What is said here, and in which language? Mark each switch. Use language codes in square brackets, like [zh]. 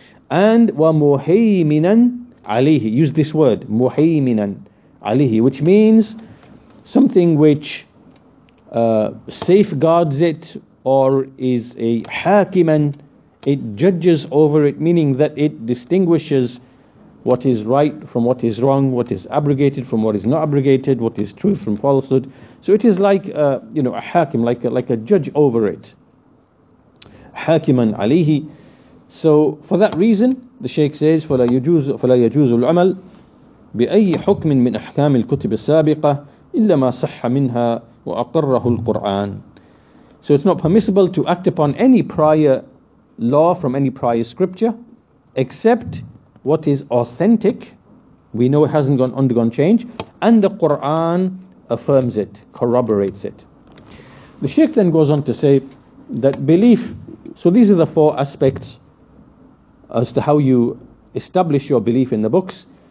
[ar] And وَمُحَيْمِنًا عَلَيْهِ. [en] Use this word, [ar] مُحَيْمِنًا عَلَيْهِ, [en] which means something which safeguards it or is a hakiman, it judges over it, meaning that it distinguishes what is right from what is wrong, what is abrogated from what is not abrogated, what is truth from falsehood. So it is like a hakim, like a judge over it. [ar] Hakiman alihi. [en] So for that reason, the Shaykh says, [ar] فَلَا يَجُوزُ الْعَمَلُ بِأَيِّ حُكْمٍ مِنْ أَحْكَامِ الْكُتِبِ السَّابِقَةِ إِلَّا مَا صَحَّ مِنْهَا وَأَقَرَّهُ الْقُرْآنِ. [en] So it's not permissible to act upon any prior law from any prior scripture, except what is authentic, we know it hasn't undergone change, and the Qur'an affirms it, corroborates it. The Shaykh then goes on to say that belief, so these are the four aspects as to how you establish your belief in the books.